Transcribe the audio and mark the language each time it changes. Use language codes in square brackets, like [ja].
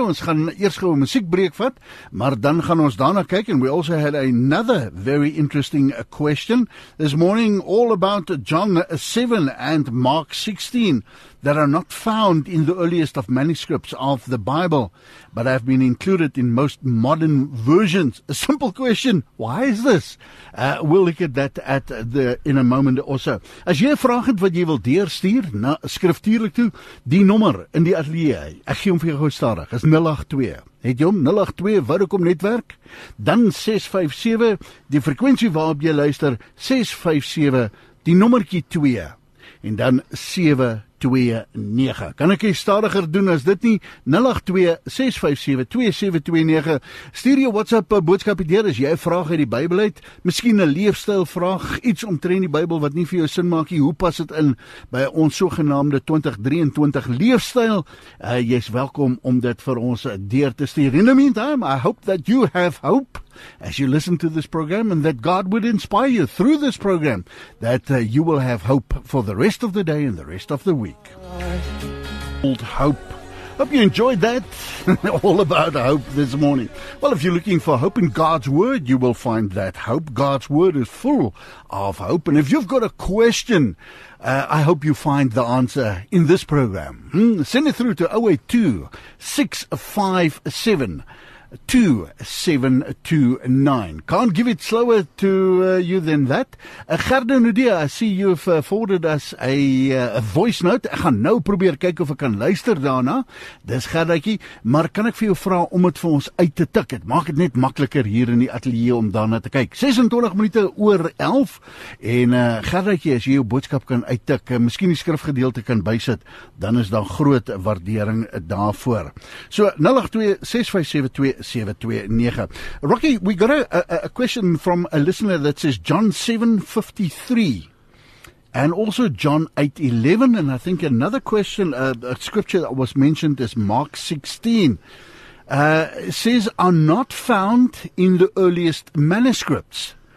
[af] Ons gaan eers gou 'n musiekbreek vat, maar dan gaan ons daarna kyk. [en] And we also had another very interesting question this morning, all about John 7 and Mark 16 that are not found in the earliest of manuscripts of the Bible, but have been included in most modern versions. A simple question, why is this? We'll look at that in a moment or so. [af] As jy vraag het wat jy wil deurstuur, na skriftuurlik toe, die nommer in die atelier, ek gee hom vir jou gou stadig, is 082. Het jy om 082 Vodacom netwerk? Dan 657, die frekwensie waarop jy luister, 657, die nommerkie 2, en dan 729. Kan ek jy stadiger doen as dit nie? 082-657-2729. Stuur jou WhatsApp boodskap hier, as jy vraag uit die Bybel uit, miskien 'n leefstyl vraag, iets omtrent die Bybel wat nie vir jou sin maak nie, hoe pas dit in by ons sogenaamde 2023 leefstyl? Jy is welkom om dit vir ons deur te stuur. [en] In the meantime, I hope that you have hope as you listen to this program, and that God would inspire you through this program, that you will have hope for the rest of the day and the rest of the week. Old Hope. Hope you enjoyed that. All about hope this morning. Well, if you're looking for hope in God's Word, you will find that hope. God's Word is full of hope. And if you've got a question, I hope you find the answer in this program. Send it through to 082-657-2729. Can't give it slower to you than that. Gerda Nudia, I see you've forwarded us a voice note. [af] Ek gaan nou probeer kyk of ek kan luister daarna. Dis Gerdaatjie, maar kan ek vir jou vra om dit vir ons uit te tik? Dit maak dit net makliker hier in die ateljee om daarna te kyk. 26 minute oor 11 en Gerdaatjie, as jy jou boodskap kan uittik, miskien die skrifgedeelte kan bysit, dan is daar groot waardering daarvoor. So 082-657-2729. [en] Rocky, we got a question from a listener that says John 7:53 and also John 8:11, and I think another question, a scripture that was mentioned is Mark 16, says are not found in the earliest manuscripts.